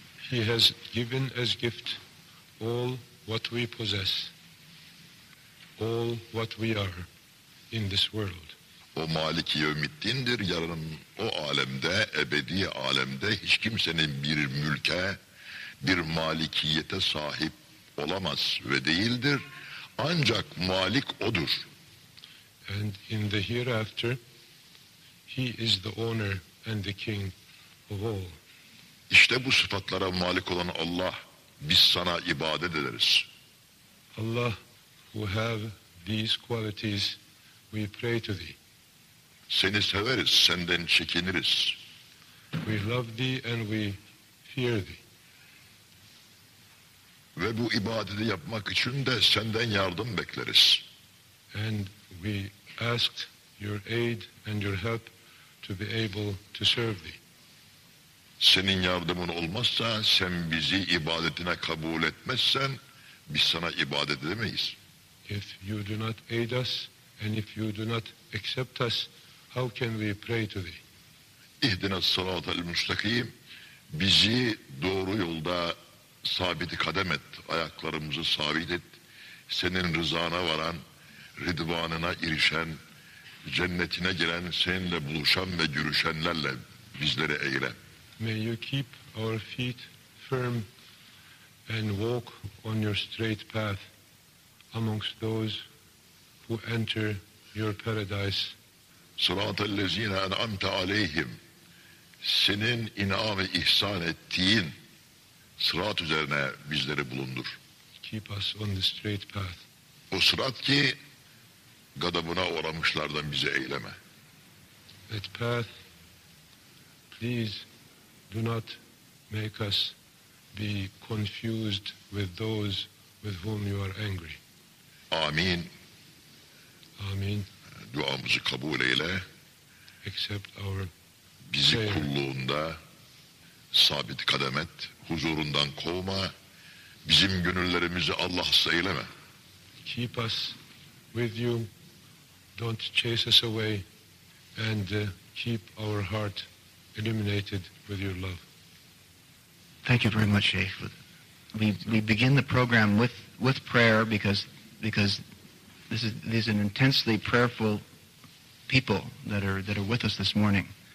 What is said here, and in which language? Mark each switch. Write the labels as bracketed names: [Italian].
[English] He has given as gift all what we possess, all what we are in this world. [Turkish] O Malik-i Yevmiddin'dir. Yarın o alemde, ebedi alemde hiç kimsenin bir mülke, bir malikiyete sahip olamaz ve değildir. Ancak Malik odur. [English] And in the hereafter, he is the owner and the king of all. [Turkish] İşte bu sıfatlara malik olan Allah, biz sana ibadet ederiz. [English] Allah, who have these qualities, we pray to thee. [Turkish] Seni severiz, senden çekiniriz. [English] We love thee and we fear thee. [Turkish] Ve bu ibadeti yapmak için de senden yardım bekleriz. [English] And we ask your aid and your help to to be able to serve thee. [Turkish] Senin yardımın olmazsa, sen bizi ibadetine kabul etmezsen, biz sana ibadet edemeyiz. [English] If you do not aid us and if you do not accept us, how can we pray to thee? [Arabic] İhdine sıratel müstakim, [Turkish] bizi doğru yolda sabit kadem et, ayaklarımızı sabit et, senin rızana varan, ridvanına erişen, cennetine giren, seninle buluşan ve görüşenlerle bizleri eyle. [English] May you keep our feet firm and walk on your straight path amongst those who enter your paradise. [Arabic] Sıratellezine en'amte aleyhim, [Turkish] senin inam ve ihsan ettiğin sırat üzerine bizleri bulundur. [English] Keep us on the straight path. [Turkish] O sırat ki gadabına uğramışlardan bizi eyleme. [English] That path, please do not make us be confused with those with whom you are angry. [Turkish] Amin. Amin. Duamızı kabul eyle. [English] Accept our [Turkish] bizi [English] prayer. [Turkish] Kulluğunda sabit kadem et, huzurundan kovma, bizim gönüllerimizi Allah'sız eyleme. [English] Keep us with you, don't chase us away, and keep our heart illuminated with your love. Thank you very much, Sheikh. We begin the program with prayer because this is an intensely prayerful people that are with us this morning.